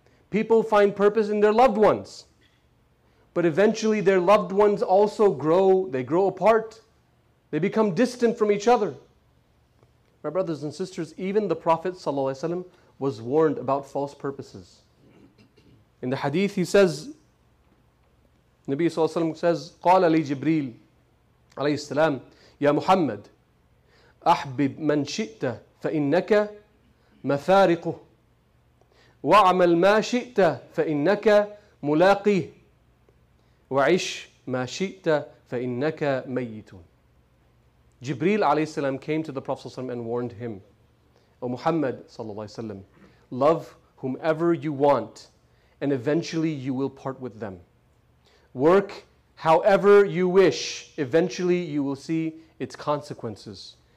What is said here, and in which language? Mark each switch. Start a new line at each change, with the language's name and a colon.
English: People find purpose in their loved ones. But eventually their loved ones also grow, they grow apart. They become distant from each other. My brothers and sisters, even the Prophet ﷺ was warned about false purposes. In the hadith he says, Nabi ﷺ says,
Arabic: قَالَ لِي جِبْرِيلِ عَلَيْهِ السَّلَامِ يَا مُحَمَّدْ أَحْبِبْ مَنْ شِئْتَ فَإِنَّكَ مَفَارِقُهُ وَعْمَلْ مَا شِئْتَ فَإِنَّكَ مُلَاقِيهِ وَعِشْ مَا شِئْتَ فَإِنَّكَ مَيِّتٌ.
English: Jibreel alayhi salam came to the Prophet and warned him, O Muhammad sallallahu alayhi wasallam, love whomever you want and eventually you will part with them. Work however you wish, eventually you will see its consequences.